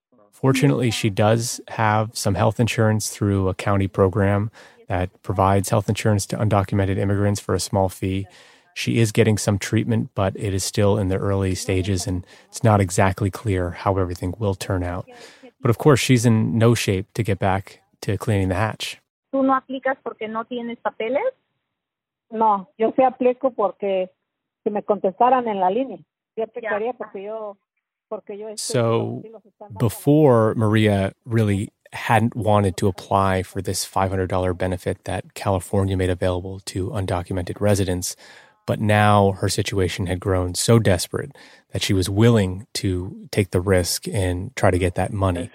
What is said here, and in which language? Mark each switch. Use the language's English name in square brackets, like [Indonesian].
[English] Fortunately, she does have some health insurance through a county program that provides health insurance to undocumented immigrants for a small fee. She is getting some treatment, but it is still in the early stages, and it's not exactly clear how everything will turn out. But of course, she's in no shape to get back to cleaning the hatch. [Spanish] ¿Tú no aplicas porque no tienes papeles? No, yo sí aplico porque si me contestaran en la línea. Yo aplicaría porque yo... [English] So before Maria really hadn't wanted to apply for this $500 benefit that California made available to undocumented residents, but now her situation had grown so desperate that she was willing to take the risk and try to get that money.